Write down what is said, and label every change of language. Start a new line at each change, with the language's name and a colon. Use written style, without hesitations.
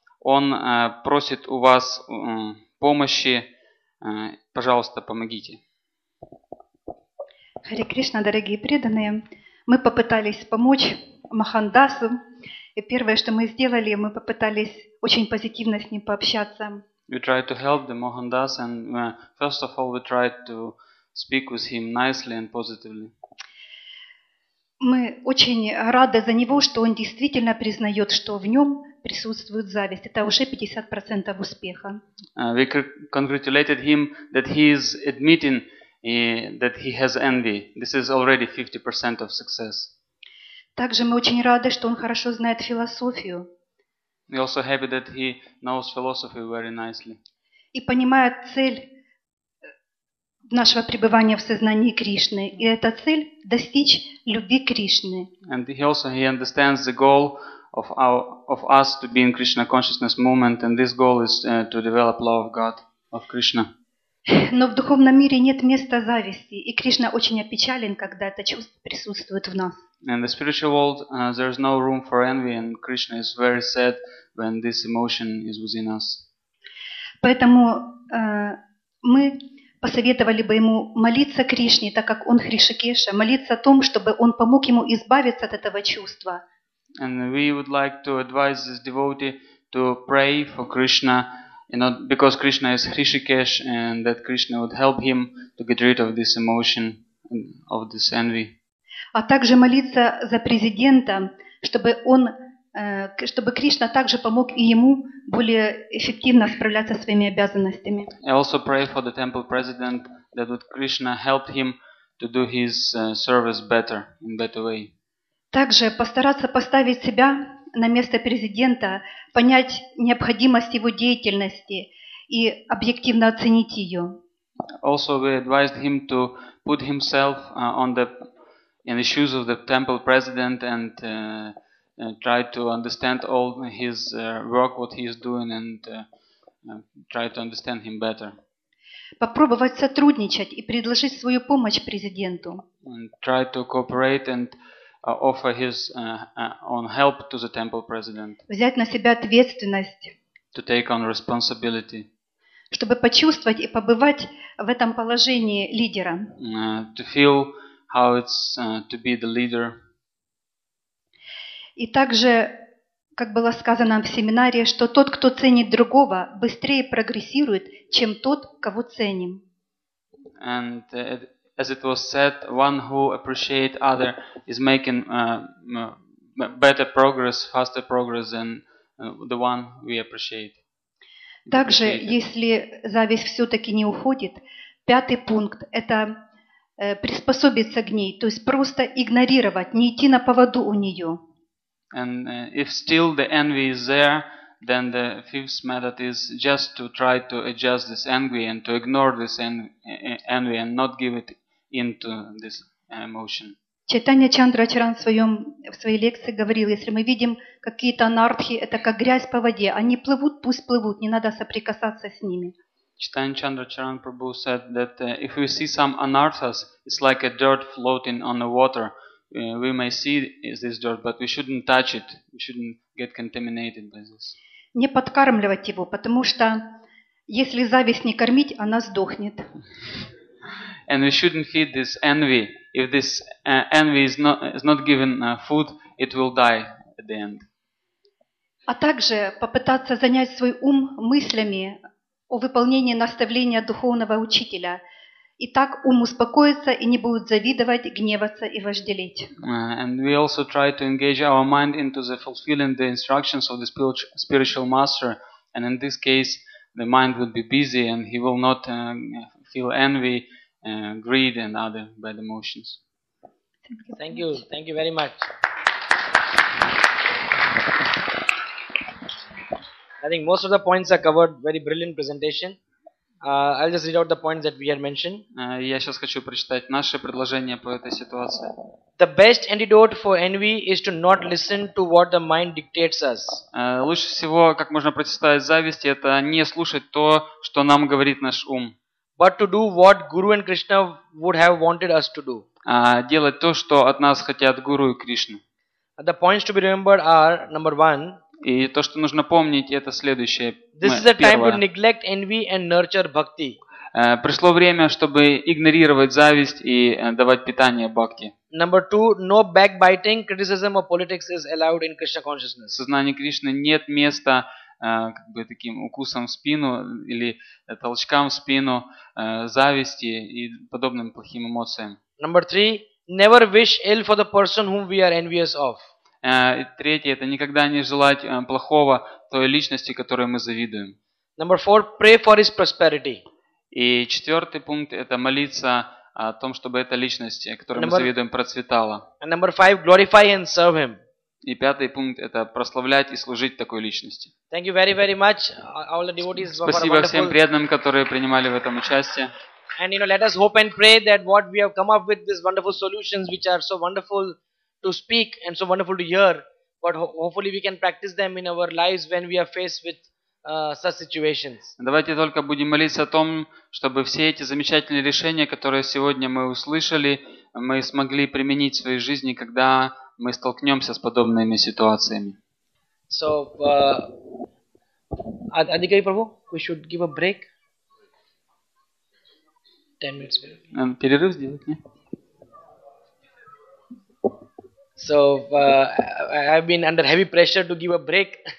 Russian: Он просит у вас помощи. Пожалуйста, помогите. Харе Кришна, дорогие преданные, мы попытались помочь Мохандасу. И первое, что мы сделали, мы попытались очень позитивно с ним пообщаться.
English: We tried to help the Mohandas and first of all we tried to speak with him nicely and positively.
Russian: Мы очень рады за него, что он действительно признает, что в нем присутствует зависть. Это уже 50% успеха.
English: We congratulated him that he is admitting that he has envy. This is already 50% of success.
Russian: Также мы очень рады, что он хорошо знает философию.
English: We also happy that he knows philosophy very nicely.
Russian: И понимает цель нашего пребывания в сознании Кришны. И эта цель – достичь любви Кришны.
English: And he also he understands the goal of our of us to be in Krishna consciousness movement, and this goal is to develop love of God, of Krishna.
Russian: Но в духовном мире нет места зависти, и Кришна очень опечален, когда это чувство присутствует в нас.
English: In the spiritual world, there is no room for envy, and Krishna is very sad when this emotion is within us.
Russian: Поэтому мы посоветовали бы ему молиться Кришне, так как он Хришикеша, молиться о том, чтобы он помог ему избавиться от этого чувства.
English: And we would like to advise this devotee to pray for Krishna, you know, because Krishna is Hrishikesh, and that Krishna would help him to get rid of this emotion, of this envy.
Russian: А также молиться за президента, чтобы он, чтобы Кришна также помог и ему более эффективно справляться со своими обязанностями.
English: I also pray for the temple president that would Krishna help him to do his service better, in better way.
Russian: Также постараться поставить себя на место президента, понять необходимость его деятельности и объективно оценить ее.
English: Also we advised him to put himself on the in the shoes of the temple president and try to understand all his work, what he is doing, and try to understand him better.
Russian: Попробовать сотрудничать и предложить свою помощь президенту.
English: And try to cooperate and offer his own help to the temple president.
Russian: Взять на себя ответственность.
English: To take on responsibility.
Russian: Чтобы почувствовать и побывать в этом положении лидера.
English: To feel how it's to be the leader.
Russian: И также, как было сказано в семинаре, что тот, кто ценит другого, быстрее прогрессирует, чем тот, кого ценим.
English: And as it was said, one who appreciate other is making better progress, faster progress than the one we appreciate.
Russian: Также, если зависть все-таки не уходит, пятый пункт – это приспособиться к ней, то есть просто игнорировать, не идти на поводу у нее.
English: And if still the envy is there, then the fifth method is just to try to adjust this envy and to ignore this envy and not give it into this emotion.
Russian: Чайтанья Чандрачаран в своей лекции говорил, если мы видим какие-то анардхи, это как грязь по воде, они плывут, пусть плывут, не надо соприкасаться с ними.
English: Чайтанья Чандрачаран Прабху said that if we see some anarthas, it's like a dirt floating on the water. We may see this dirt, but we shouldn't touch it. We shouldn't get contaminated by this.
Russian: Не подкармливать его, потому что если зависть не кормить, она сдохнет.
English: And we shouldn't feed this envy. If this envy is not given food, it will die at the end.
Russian: А также попытаться занять свой ум мыслями о выполнении наставления духовного учителя. И так ум успокоится и не будет завидовать, гневаться и вожделеть.
English: And we also try to engage our mind into the fulfilling the instructions of the spiritual master. And in this case, the mind would be busy and he will not feel envy, greed and other bad emotions. Thank you very much. I think most of the points are covered. Very brilliant presentation. I'll just read out the points that we had mentioned.
Russian: Я сейчас хочу прочитать наше предложение по этой ситуации.
English: The best antidote for envy is to not listen to what the mind dictates us.
Russian: Лучше всего, как можно противостоять зависти, это не слушать то, что нам говорит наш ум.
English: But to do what Guru and Krishna would have wanted us to do.
Russian: Делать то, что от нас хотят Гуру и Кришна.
English: The points to be remembered are, number one,
Russian: и то, что нужно помнить, это следующее.
English: This is the time to neglect envy and nurture bhakti.
Russian: Пришло время, чтобы игнорировать зависть и давать питание бхакти.
English: Number two, no backbiting, criticism or politics is allowed in Krishna consciousness.
Russian: В сознании Кришны нет места как бы таким укусом в спину или толчкам в спину, зависти и подобным плохим эмоциям.
English: Number three, never wish ill for the person whom we are envious of.
Russian: Третье, это никогда не желать плохого той личности, которой мы завидуем.
English: Number four, pray for his prosperity.
Russian: И четвертый пункт, это молиться о том, чтобы эта личность, которой мы завидуем, процветала.
English: And number five, glorify and serve him.
Russian: И пятый пункт, это прославлять и служить такой личности.
English: Thank you very, very much. All the devotees.
Russian: Спасибо всем преданным, которые принимали в этом участие.
English: And you know, let us hope and pray that what we have come up with these wonderful solutions, which are so wonderful to speak and so wonderful to hear, but hopefully we can practice them in our lives when we are faced with such situations.
Russian: Давайте только будем молиться о том, чтобы все эти замечательные решения, которые сегодня мы услышали, мы смогли применить в своей жизни, когда мы столкнемся с подобными ситуациями.
English: So, Adhikari Prabhu, we should give a break. 10 minutes.
Russian: Перерыв сделать, не?
English: So, I've been under heavy pressure to give a break.